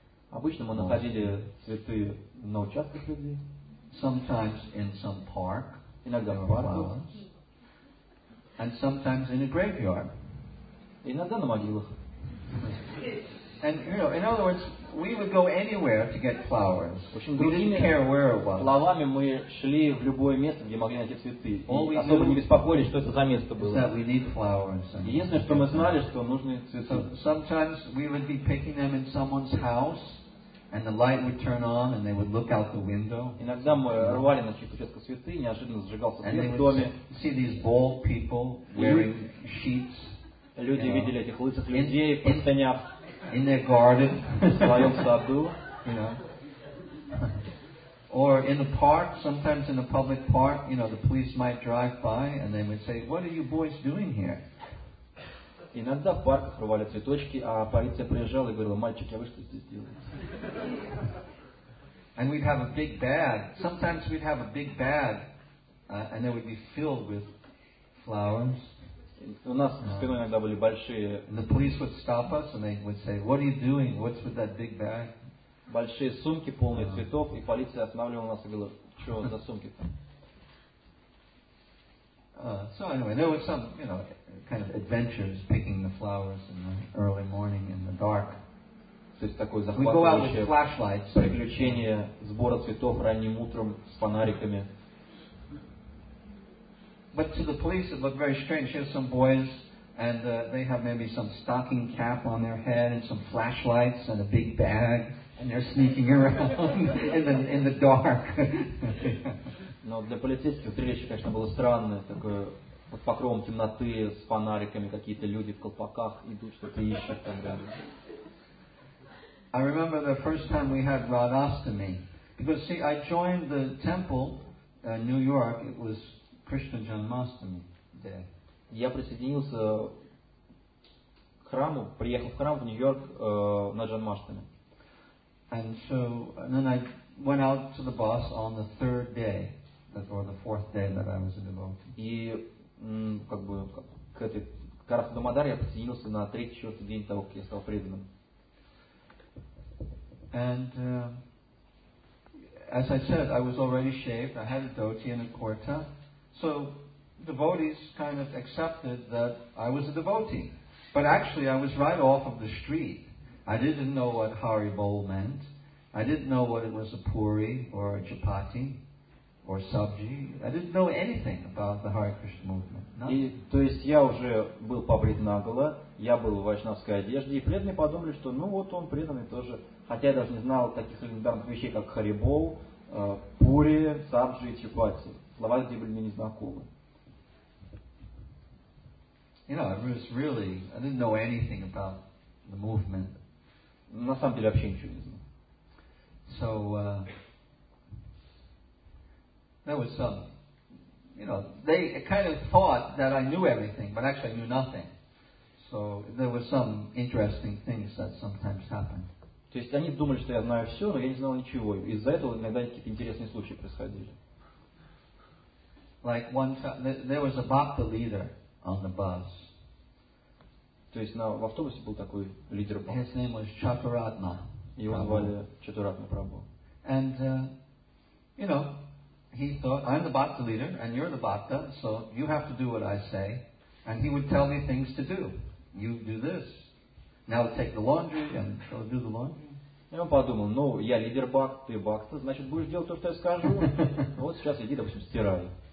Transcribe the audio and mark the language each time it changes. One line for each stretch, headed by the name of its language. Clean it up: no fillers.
Russian: Обычно мы находили цветы на участках людей.
English: Sometimes in some park.
Russian: Иногда в парке.
English: And sometimes in a graveyard.
Russian: Иногда на могилах.
English: And you know, in other words, we would go anywhere to get flowers. We didn't care where it was.
Russian: Словами мы шли в любое место, где могли найти цветы. Особо не беспокоились, что это за место было.
English: That we need flowers.
Russian: Единственное, что мы знали, что нужны цветы.
English: Sometimes we would be picking them in someone's house, and the light would turn on, and they would look out the window.
Russian: Иногда мы рвали на чьих-то участках цветы, неожиданно зажигался свет в доме.
English: See these bald people wearing sheets.
Russian: Люди видели этих лысых людей в простынях.
English: In their garden,
Russian: своем саду,
English: you know, or in the park. Sometimes in a public park, you know, the police might drive by and they would say, "What are you boys doing here?"
Russian: Иногда в парках рвали цветочки, а полиция приезжала и говорила: "Мальчики, а вы что здесь делаете?"
English: And we'd have a big bag. Sometimes we'd have a big bag, and it would be filled with flowers.
Russian: У нас за спиной иногда были большие.
English: And the police would stop us and they would say, "What are you doing? What's with that big bag?"
Russian: Большие сумки полные цветов, и полиция останавливала нас и говорила: "Что за сумки там?"
English: So anyway, there were some, you know, kind of adventures picking the flowers in the early morning in the dark.
Russian: То есть такое захватывающее
English: flashlights,
Russian: приключение сбора цветов ранним утром с фонариками.
English: But to the police, it looked very strange. Here's some boys, and they have maybe some stocking cap on their head, and some flashlights, and a big bag, and they're sneaking around in the dark.
Russian: Но для полицейских зрелище, конечно, было странное. Такое под покровом темноты с фонариками какие-то люди в колпаках идут что-то ищут и так далее.
English: I remember the first time we had Radhastami, because see, I joined the temple, New York. It was Krishna Janmashtami day.
Russian: Я присоединился к храму, приехал в храм в Нью-Йорк на Джанмаштами.
English: And so, and then I went out to the bus on the third day, or the fourth day that I was a devotee.
Russian: И как бы к этой Карахадамадаре я присоединился на третий, четвертый день того, как я стал преданным.
English: And as I said, I was already shaved. I had a dhoti and a kurta. So devotees kind of accepted that I was a devotee. But actually, I was right off of the street. I didn't know what Hari Bol meant. I didn't know what it was, a puri or a chapati or sabji. I didn't know anything about the Hare Krishna movement.
Russian: И, то есть я уже был побрит наголо, я был в вайшнавской одежде, и преданные подумали, что ну вот он преданный тоже, хотя я даже не знал таких легендарных вещей, как харибол, пури, сабджи и чипати. Слова здесь были мне незнакомы.
English: You know, really, I didn't know anything about the movement.
Russian: На самом деле вообще ничего не знал.
English: So, that was some. You know, they kind of thought that I knew everything, but actually I knew nothing. So there were some interesting things that sometimes happened.
Russian: То есть они думали, что я знаю все, но я не знал ничего. Из-за этого иногда какие-то интересные случаи происходили.
English: Like one time, there was a bhakta leader on the bus.
Russian: То есть в автобусе был такой лидер.
English: His name was Chaturatna.
Russian: Его звали Чатуратна Прабху.
English: And, you know, he thought, I'm the bhakta leader, and you're the bhakta, so you have to do what I say. And he would tell me things to do. You do this. Now take the laundry, and go do the laundry.
Russian: И он подумал, я лидер бхакта, ты бхакта, значит, будешь делать то, что я скажу. Вот сейчас иди, допустим, стирай.